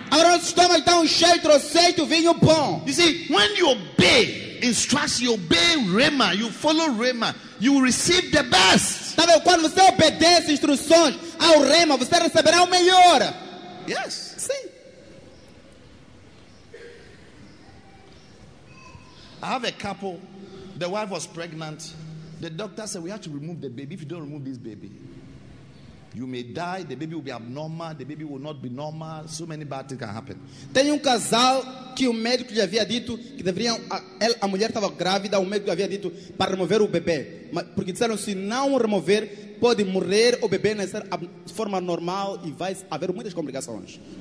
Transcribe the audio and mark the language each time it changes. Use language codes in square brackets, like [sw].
[pt] Agora o estômago está cheio, trouxe-te o vinho bom. [en] You see, when you obey instruction, you obey rhema, you follow rhema, you receive the best. [pt] Tá vendo? Quando você obedece instruções ao rhema, você receberá o melhor. Yes. Sim. [en] I have a couple, the wife was pregnant The doctor said, we have to remove the baby. If you don't remove this baby, you may die. The baby will be abnormal. The baby will not be normal. So many bad things can happen. [pt] Tem casal que o médico já havia dito que deveriam, a mulher estava grávida, o médico havia dito para remover o bebê. Porque disseram, se não remover, pode morrer o bebê nascer de forma normal e vai haver muitas complicações.